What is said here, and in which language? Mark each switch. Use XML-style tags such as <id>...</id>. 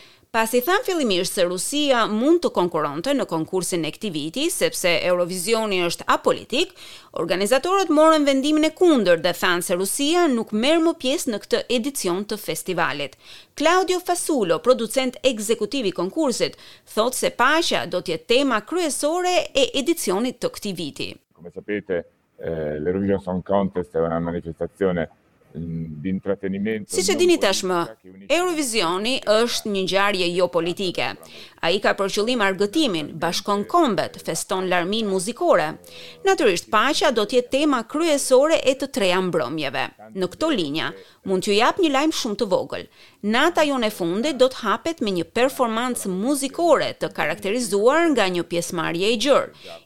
<sq>Pasi tham fillimisht se Rusia mund të konkuronte në konkursin e këtij viti, sepse Eurovisioni është apolitik, organizatorët morën vendimin e kundër dhe thanë se Rusia nuk merr më pjesë në këtë edicion të festivalit. Claudio Fasulo, producent ekzekutiv i konkursit, thotë se paqja do të jetë tema kryesore e edicionit të këtij viti.</sq> <it>Come sapete, l'Eurovision Song Contest è una manifestazione d'intrattenimento.</it> <sq>Si që dini tashmë, Eurovisioni është një ngjarje jo politike. Ai ka për qëllim argëtimin, bashkon kombet, feston larmin muzikore. Natyrisht, paqja do të jetë tema kryesore e të treja mbrëmjeve. Në këto linja, mund t'ju jap një lajm shumë të vogël. Nata jone fundit do të hapet me një performancë muzikore të karakterizuar nga një pjesëmarrje e gjerë.</sq>